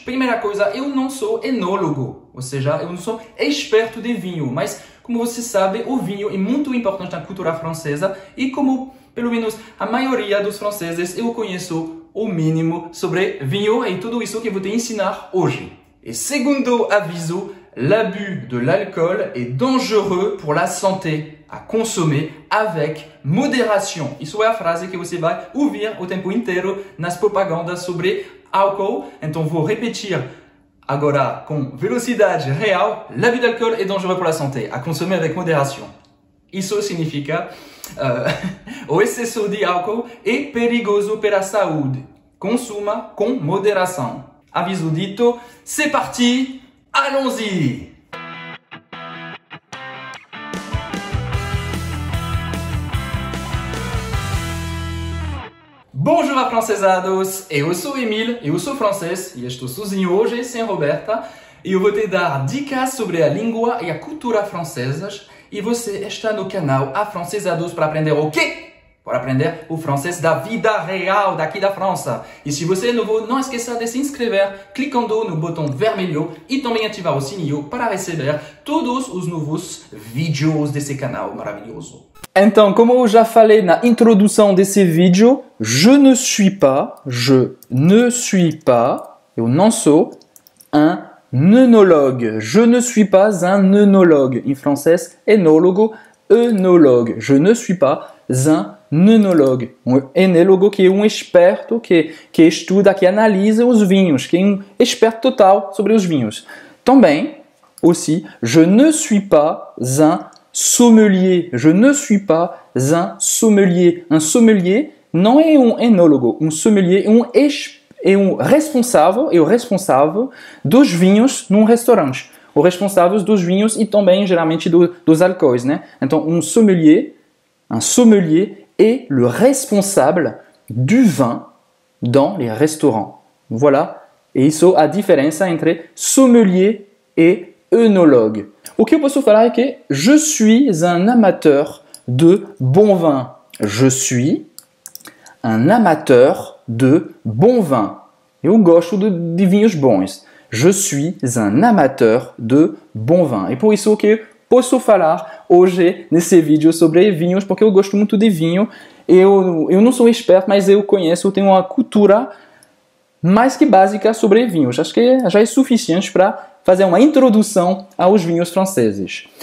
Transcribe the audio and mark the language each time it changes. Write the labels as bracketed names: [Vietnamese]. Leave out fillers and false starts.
[Portuguese] Primeira coisa, eu não sou enólogo, ou seja, eu não sou experto de vinho. Mas, como você sabe, o vinho é muito importante na cultura francesa. E como, pelo menos, a maioria dos franceses, eu conheço o mínimo sobre vinho e tudo isso que eu vou te ensinar hoje. E segundo aviso, [French] l'abus de l'alcool est dangereux pour la santé. À consommer avec modération. [Portuguese] Isso é a frase que você vai ouvir o tempo inteiro nas propagandas sobre álcool. Então vou repetir agora com velocidade real. [French] L'abus d'alcool est dangereux pour la santé. À consommer avec modération. [Portuguese] Isso significa o excesso de álcool é perigoso para a saúde. Consuma com moderação. Aviso dito, [French] c'est parti, allons-y! Bonjour, francesados! [Portuguese] Eu sou Emile, eu sou francês e estou sozinho hoje sem Roberta. E eu vou te dar dicas sobre a língua e a cultura francesas. E você está no canal Afrancesados para aprender o quê? Para aprender o francês da vida real daqui da França. E se você é novo, não esqueça de se inscrever clicando no botão vermelho e também ativar o sininho para receber todos os novos vídeos desse canal maravilhoso. Então, como eu já falei na introdução desse vídeo, [French] je ne suis pas, [Portuguese] eu não sou um œnologue. [French] Je ne suis pas un œnologue. [Portuguese] Em francês, enólogo, œnologue. [French] Je ne suis pas un œnologue. [Portuguese] Um enólogo que é um experto que estuda, que analisa os vinhos, que é um experto total sobre os vinhos. Também, [French] aussi, je ne suis pas un sommelier, je ne suis pas un sommelier. [Portuguese] Un sommelier não é um enólogo. Um sommelier é o responsável dos vinhos num restaurante. O responsável dos vinhos e também, geralmente, dos álcools, né? Então, um sommelier é o responsável do vinho [French] dans les restaurants. Voilà. [Portuguese] E isso é a diferença entre sommelier e œnologue. O que eu posso falar é que [French] je suis un amateur de bon vin. Je suis un amateur de bon vin. [Portuguese] Eu gosto de vinhos bons. [French] Je suis un amateur de bon vin. [Portuguese] E por isso que eu posso falar hoje nesse vídeo sobre vinhos, porque eu gosto muito de vinho. Eu não sou experto, mas eu conheço, eu tenho uma cultura mais que básica sobre vinhos. Acho que já é suficiente para fazer uma introdução aos vinhos franceses.